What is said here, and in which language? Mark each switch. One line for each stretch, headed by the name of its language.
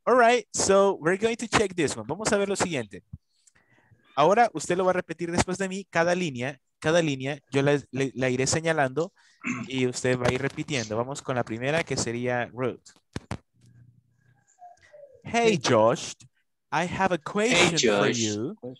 English: All right, so we're going to check this one.
Spanish: Vamos a ver lo siguiente. Ahora usted lo va a repetir después de mí. Cada línea, yo la iré señalando y usted va a ir repitiendo. Vamos con la primera, que sería Ruth.
English: Hey, Josh, I have a question for you.